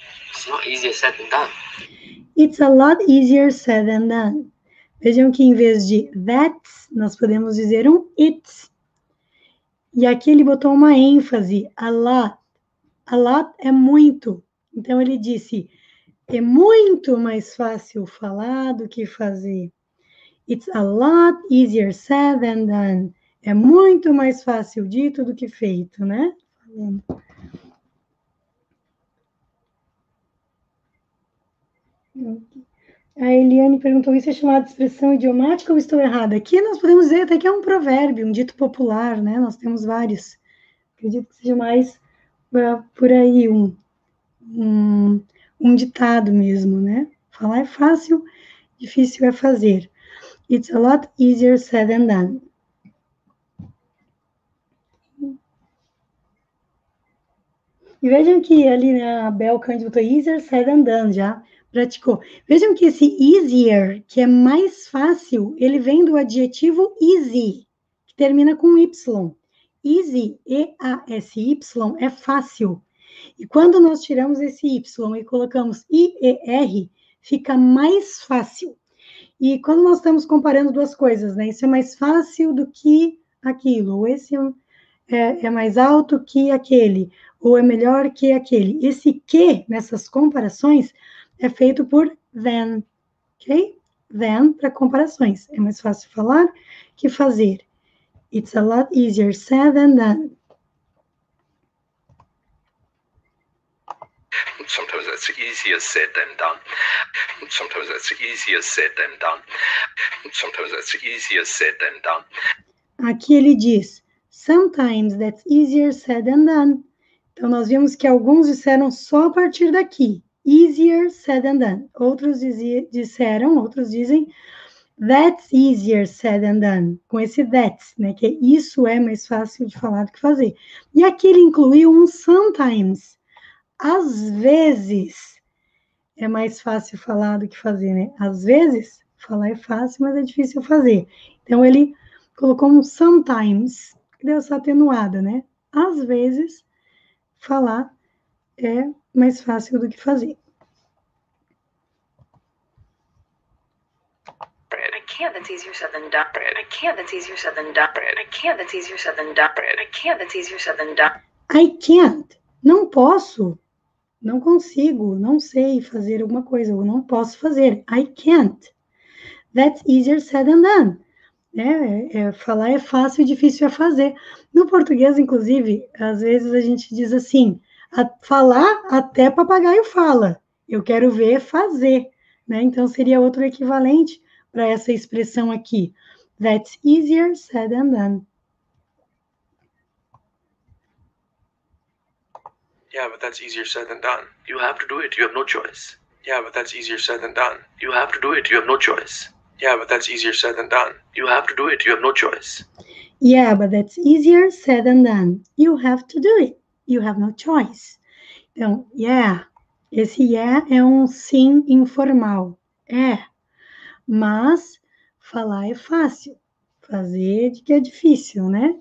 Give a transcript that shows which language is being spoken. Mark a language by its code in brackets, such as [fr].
[en] It's not easier said than done. It's a lot easier said than done. [pt] Vejam que em vez de that's, nós podemos dizer um it's. E aqui ele botou uma ênfase, [en] a lot. [pt] A lot é muito. Então ele disse, é muito mais fácil falar do que fazer. [en] It's a lot easier said than done. [pt] É muito mais fácil dito do que feito, né? A Eliane perguntou: isso é chamado de expressão idiomática ou estou errada? Aqui nós podemos dizer até que é um provérbio, um dito popular, né? Nós temos vários. Acredito que seja mais por aí, um ditado mesmo, né? Falar é fácil, difícil é fazer. [en] It's a lot easier said than done. [pt] E vejam que ali, né, a Bel Cândido botou [en] easier said than done [pt] já. Praticou. Vejam que esse easier, que é mais fácil, ele vem do adjetivo easy, que termina com Y. Easy, E-A-S-Y, é fácil. E quando nós tiramos esse Y e colocamos I-E-R, fica mais fácil. E quando nós estamos comparando duas coisas, né? Isso é mais fácil do que aquilo. Ou esse é mais alto que aquele. Ou é melhor que aquele. Esse que, nessas comparações, é feito por than, ok? Than para comparações. É mais fácil falar que fazer. [en] It's a lot easier said than done. Sometimes that's easier said than done. Sometimes that's easier said than done. Sometimes that's easier said than done. [pt] Aqui ele diz, [en] sometimes that's easier said than done. [pt] Então, nós vimos que alguns disseram só a partir daqui. [en] Easier said than done. [pt] Outros disseram, outros dizem, [en] that's easier said than done. [pt] Com esse that's, né? Que isso é mais fácil de falar do que fazer. E aqui ele incluiu um sometimes. Às vezes é mais fácil falar do que fazer, né? Às vezes, falar é fácil, mas é difícil fazer. Então, ele colocou um sometimes, que deu essa atenuada, né? Às vezes, falar é mais fácil do que fazer. [en] That's easier said than done. I can't. That's easier said than done. I can't. That's easier said than done. I can't. That's easier said than done. I can't. [pt] Não posso. Não consigo. Não sei fazer alguma coisa. Eu não posso fazer. [en] I can't. That's easier said than done. [pt] Falar é fácil, difícil é fazer. No português, inclusive, às vezes a gente diz assim: falar até papagaio fala. Eu quero ver fazer, né? Então seria outro equivalente para essa expressão aqui. [en] That's easier said than done. Yeah, but that's easier said than done. You have to do it. You have no choice. Yeah, but that's easier said than done. You have to do it. You have no choice. Yeah, but that's easier said than done. You have to do it. You have no choice. Yeah, but that's easier said than done. You have to do it. You have no choice. [pt] Então, [en] yeah. [pt] Esse yeah é um sim informal. É. Mas falar é fácil. Fazer de que é difícil, né?